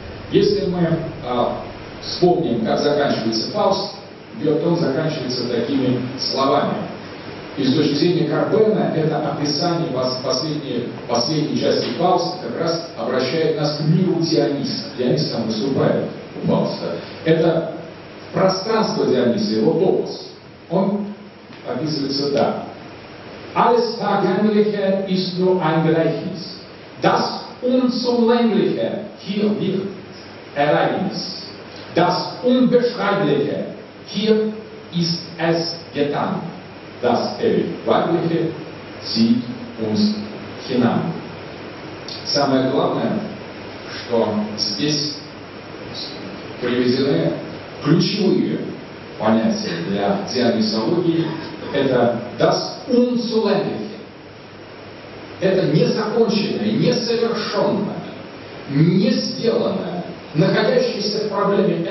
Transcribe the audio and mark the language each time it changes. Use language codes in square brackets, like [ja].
[ru] Если мы вспомним, как заканчивается Фауст, Биотон заканчивается такими словами. И с точки зрения Карбена, это описание последней части Фауста как раз обращает нас к миру Диониса. Дионис там выступает у Фауста. Это пространство Диониса, его топос. Он описывается так. [de] Alles vergängliche ist nur ein Gleichnis. Das unzulängliche hier wird Ereignis. Das unbeschreibliche hier ist es getan. Das Ewigweibliche zieht uns hinan. [ru] Самое главное, что здесь приведены ключевые понятия для дионисологии, это [de] das unzulängliche. [ru] Это незаконченное, несовершенное, не сделанное, находящееся в проблеме.